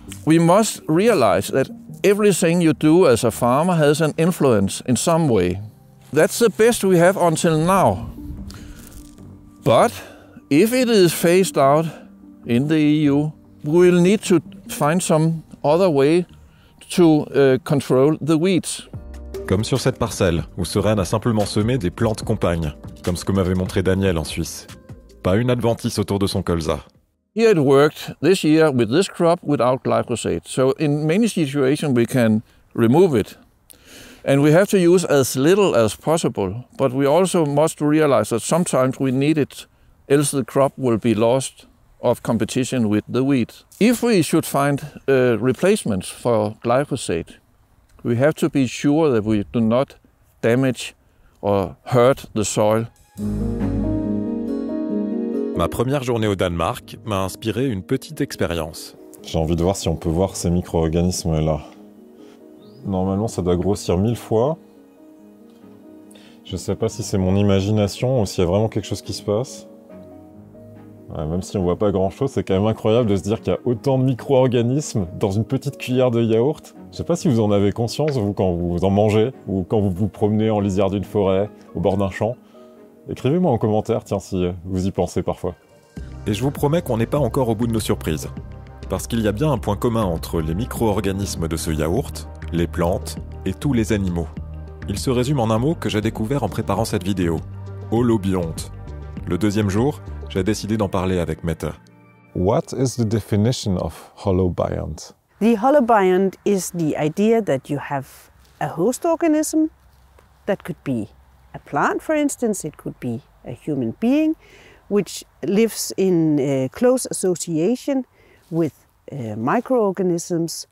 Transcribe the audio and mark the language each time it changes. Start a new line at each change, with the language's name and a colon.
English: We must realize that everything you do as a farmer has an influence in some way. That's the best we have until now. But if it is phased out in the EU, we will need to find some other way to control the weeds.
French: Comme sur cette parcelle où Søren a simplement semé des plantes compagnes, comme ce que m'avait montré Daniel en Suisse. Pas une adventice autour de son colza.
English: Here it worked this year with this crop without glyphosate. So in many situations we can remove it. And we have to use as little as possible, but we also must realize that sometimes we need it, else the crop will be lost of competition with the wheat. If we should find replacements for glyphosate, we have to be sure that we do not damage or hurt the soil.
French: Ma première journée au Danemark m'a inspiré une petite expérience. J'ai envie de voir si on peut voir ces micro-organismes-là. Normalement, ça doit grossir 1000 fois. Je ne sais pas si c'est mon imagination ou s'il y a vraiment quelque chose qui se passe. Ouais, même si on ne voit pas grand-chose, c'est quand même incroyable de se dire qu'il y a autant de micro-organismes dans une petite cuillère de yaourt. Je ne sais pas si vous en avez conscience, vous, quand vous en mangez ou quand vous vous promenez en lisière d'une forêt, au bord d'un champ. Écrivez-moi en commentaire, tiens, si vous y pensez parfois. Et je vous promets qu'on n'est pas encore au bout de nos surprises. Parce qu'il y a bien un point commun entre les micro-organismes de ce yaourt, les plantes et tous les animaux. Il se résume en un mot que j'ai découvert en préparant cette vidéo. Holobionte. Le deuxième jour, j'ai décidé d'en parler avec Mette.
English: What is the definition of holobionte? The holobionte is the idea that you have a host organism that could be a plant, for instance, it could be a human being, which lives in close association with microorganisms.